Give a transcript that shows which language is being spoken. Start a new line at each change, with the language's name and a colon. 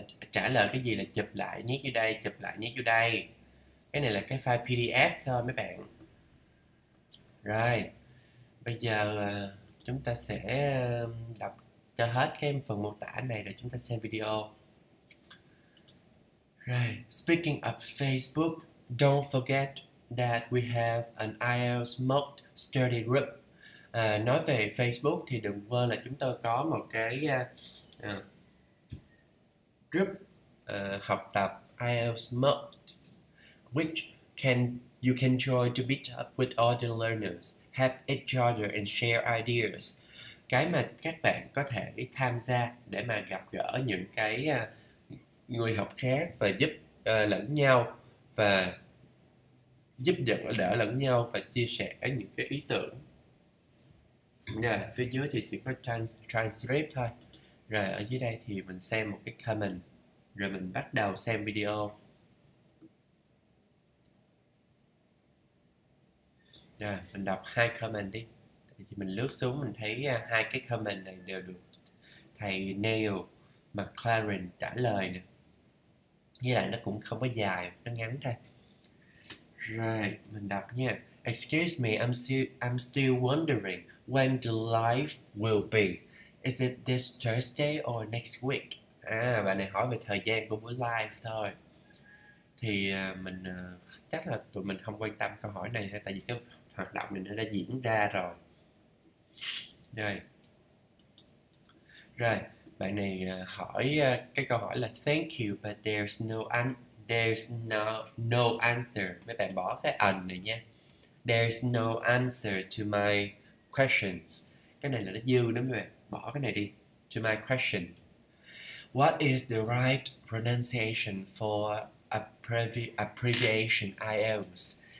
Vietnamese: Trả lời cái gì là chụp lại nhét vô đây, chụp lại nhét vô đây. Cái này là cái file PDF thôi mấy bạn. Rồi, bây giờ chúng ta sẽ đọc cho hết cái phần mô tả này rồi chúng ta xem video.
English: Rồi, speaking of Facebook, don't forget that we have an IELTS mock study group.
Vietnamese: Nói về Facebook thì đừng quên là chúng tôi có một cái group học tập IELTS mock,
English: which you can join to meet up with other learners, help each other and share ideas.
Vietnamese: Cái mà các bạn có thể tham gia để mà gặp gỡ những cái người học khác và giúp lẫn nhau và giúp đỡ lẫn nhau và chia sẻ những cái ý tưởng. Yeah, phía dưới thì chỉ có transcript thôi. Rồi ở dưới đây thì mình xem một cái comment. Rồi mình bắt đầu xem video. Rồi mình đọc hai comment đi. Thì mình lướt xuống mình thấy hai cái comment này đều được thầy Neil McLaren trả lời nè. Với lại nó cũng không có dài, nó ngắn thôi. Right, mình đọc nha.
English: Excuse me, I'm still wondering when the live will be. Is it this Thursday or next week?
Vietnamese: À, bạn này hỏi về thời gian của buổi live thôi. Thì mình chắc là tụi mình không quan tâm câu hỏi này ha, tại vì cái hoạt động này nó đã diễn ra rồi. Rồi. Rồi, bạn này hỏi cái câu hỏi là
English: thank you but there's no answer.
Vietnamese: Mấy bạn bỏ cái an này nha.
English: There's no answer to my questions.
Vietnamese: Cái này là nó dư đó mấy bạn. Bỏ cái này đi.
English: To my question. What is the right pronunciation for abbreviation IELTS?